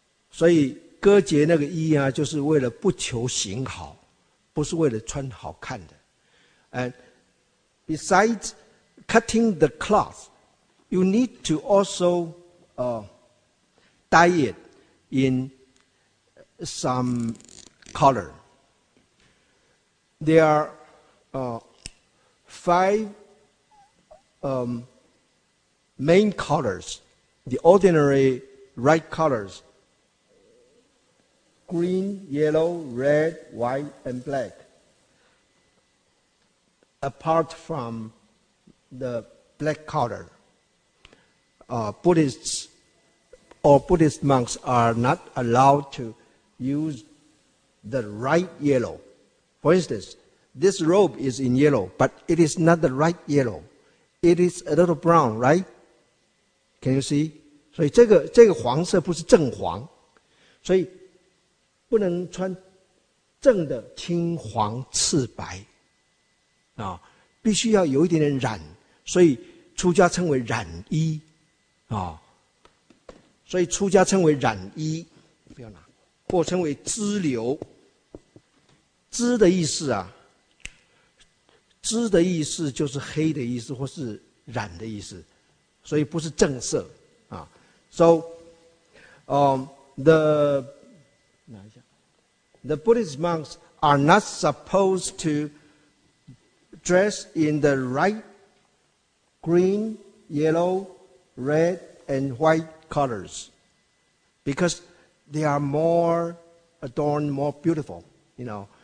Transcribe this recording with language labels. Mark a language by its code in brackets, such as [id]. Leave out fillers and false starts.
[zh] So, 割截那个衣啊，就是为了不求形好，不是为了穿好看的。 [en] And besides cutting the cloth, you need to also dye it in some color. There are five main colors. The ordinary right colors: green, yellow, red, white, and black. Apart from the black color, Buddhists or Buddhist monks are not allowed to use the right yellow. For instance, this robe is in yellow, but it is not the right yellow. It is a little brown, right? Can you see? [zh] 所以这个黄色不是正黄，所以不能穿正的青黄赤白啊，必须要有一点点染，所以出家称为染衣啊，所以出家称为染衣，不要拿，或称为支流。支的意思啊，支的意思就是黑的意思或是染的意思，所以不是正色啊。 [en] So, the Buddhist monks are not supposed to dress in the right green, yellow, red, and white colors because they are more adorned, more beautiful, you know.